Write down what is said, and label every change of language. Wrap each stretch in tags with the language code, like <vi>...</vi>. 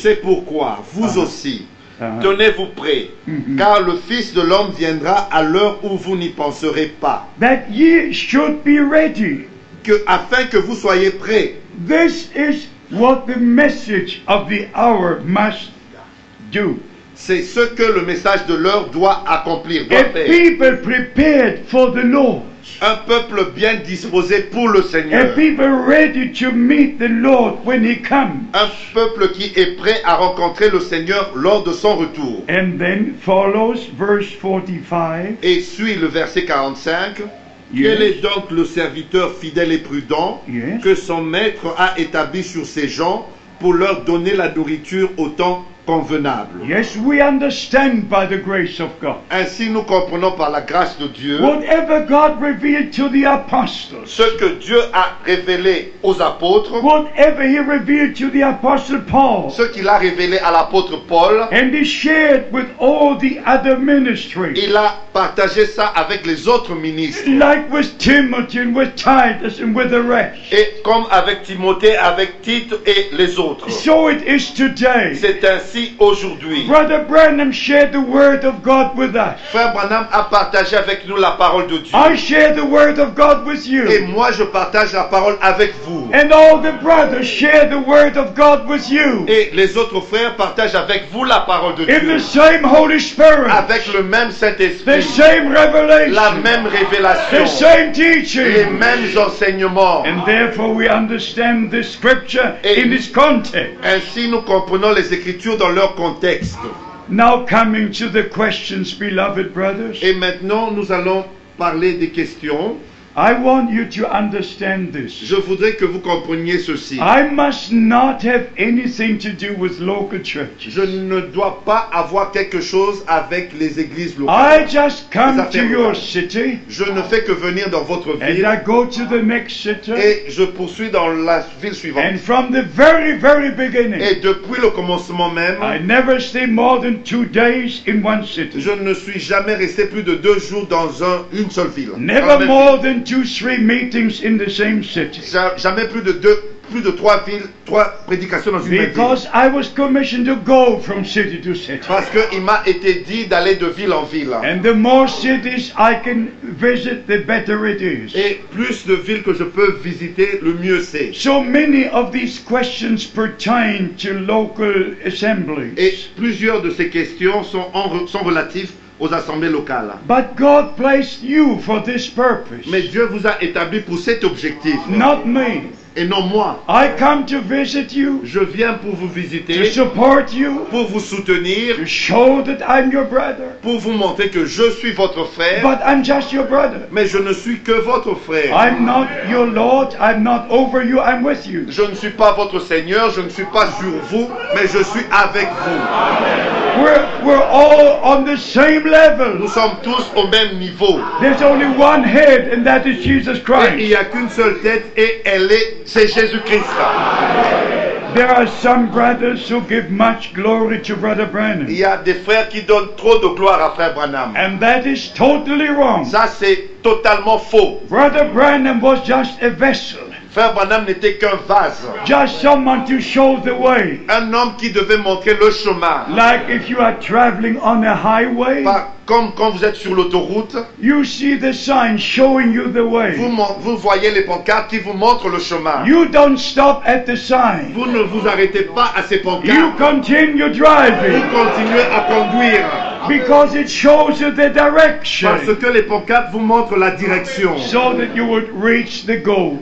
<fr>C'est pourquoi vous aussi, tenez-vous prêts, car le Fils de l'homme viendra à l'heure où vous n'y penserez pas.</fr> <en>That ye should be ready.</en> <fr>Que, afin que vous soyez prêts.</fr> <en>This is what the message of the hour must do.</en> <fr>C'est ce que le message de l'heure doit accomplir.</fr> <en>A people prepared for the Lord.</en> <fr>Un peuple bien disposé pour le Seigneur.</fr> <en>A people ready to meet the Lord when he comes.</en> <fr>Un peuple qui est prêt à rencontrer le Seigneur lors de son retour.</fr> <en>And then follows verse 45.</en> <fr>Et suit le verset 45. Yes. Quel est donc le serviteur fidèle et prudent,</fr> <en>yes,</en> <fr>que son maître a établi sur ses gens pour leur donner la nourriture au temps convenable.</fr> <en>Yes, we understand by the grace of God.</en> <fr>Ainsi nous comprenons par la grâce de Dieu.</fr> <en>Whatever God revealed to the apostles.</en> <fr>Ce que Dieu a révélé aux apôtres.</fr> <en>Whatever he revealed to the apostle Paul.</en> <fr>Ce qu'il a révélé à l'apôtre Paul.</fr> <en>And he shared with all the other ministries.</en> <fr>Il a partagé ça avec les autres ministres.</fr> <en>Like with Timothy and with Titus and with the rest.</en> <fr>Et comme avec Timothée, avec Tite et les autres.</fr> <en>So it is today.</en> <fr>C'est ainsi aujourd'hui.</fr> <en>Brother Branham shared the word of God with us.</en> <fr>Frère Branham a partagé avec nous la parole de Dieu.</fr> <en>I share the word of God with you.</en> <fr>Et moi je partage la parole avec vous.</fr> <en>And all the brothers share the word of God with you.</en> <fr>Et les autres frères partagent avec vous la parole de</fr> <en>In</en> <fr>Dieu.</fr> <en>In the same Holy Spirit.</en> <fr>Avec le même Saint-Esprit.</fr> <en>The same revelation.</en> <fr>La même révélation.</fr> <en>The same teaching.</en> <fr>Les mêmes enseignements.</fr> <en>And therefore we understand this scripture Et in its context.</en> <fr>Ainsi nous comprenons les Écritures dans leur contexte.</fr> <en>Now coming to the questions, beloved brothers.</en> <fr>Et maintenant, nous allons parler des questions.</fr> <en>I want you to understand this.</en> <fr>Je voudrais que vous compreniez ceci.</fr> <en>I must not have anything to do with local churches.</en> <fr>Je ne dois pas avoir quelque chose avec les églises locales.</fr> <en>I just come to your city.</en> <fr>Je ne fais que venir dans votre ville.</fr> <en>And I go to the next city.</en> <fr>Et je poursuis dans la ville suivante.</fr> <en>And from the very, very beginning.</en> <fr>Et depuis le commencement même.</fr> <en>I never stay more than 2 days in one city.</en> <fr>Je ne suis jamais resté plus de 2 jours dans une seule ville.</fr> <en>Never more than 2-3 meetings in the same city.</en> <fr>Jamais plus de trois prédications dans une ville.</fr> <en>Because I was commissioned to go from city to city.</en> <fr>Parce que il m'a été dit d'aller de ville en ville.</fr> <en>And the more cities I can visit, the better it is.</en> <fr>Et plus de villes que je peux visiter, le mieux c'est.</fr> <en>So many of these questions pertain to local assemblies.</en> <fr>Et plusieurs de ces questions sont relatives aux assemblées locales.</fr> <en>But God placed you for this purpose.</en> <fr>Mais Dieu vous a établi pour cet objectif.</fr> <en>Not me.</en> <fr>Et non moi.</fr> <en>I come to visit you.</en> <fr>Je viens pour vous visiter.</fr> <en>To support you.</en> <fr>Pour vous soutenir.</fr> <en>To show that I'm your brother.</en> <fr>Pour vous montrer que je suis votre frère.</fr> <en>But I'm just your brother.</en> <fr>Mais je ne suis que votre frère.</fr> <en>I'm not your Lord. I'm not over you. I'm with you.</en> <fr>Je ne suis pas votre Seigneur. Je ne suis pas sur vous. Mais je suis avec vous.</fr> <en>We're all on the same level.</en> <fr>Nous sommes tous au même niveau.</fr> <en>There's only one head, and that is Jesus Christ.</en> <fr>Et il n'y a qu'une seule tête, et elle est c'est Jésus Christ.</fr> <en>There are some brothers who give much glory to Brother Branham.</en> <fr>Il y a des frères qui donnent trop de gloire à Frère Branham.</fr> <en>And that is totally wrong.</en> <fr>Ça c'est totalement faux.</fr> <en>Brother Branham was just a vessel.</en> <fr>Frère Branham n'était qu'un vase.</fr> <en>Just someone to show the way.</en> <fr>Un homme qui devait montrer le chemin.</fr> <en>Like if you are traveling on a highway.</en> <fr>Comme quand vous êtes sur l'autoroute.</fr> <en>You see the sign showing you the way.</en> <fr>Vous voyez les pancartes qui vous montrent le chemin.</fr> <en>You don't stop at the sign.</en> <fr>Vous ne vous arrêtez pas à ces pancartes.</fr> <en>You continue driving.</en> <fr>Vous continuez à conduire.</fr> <en>Because it shows you the direction.</en> <fr>Parce que les pancartes vous montrent la direction.</fr> <en>So that you would reach the goal.</en>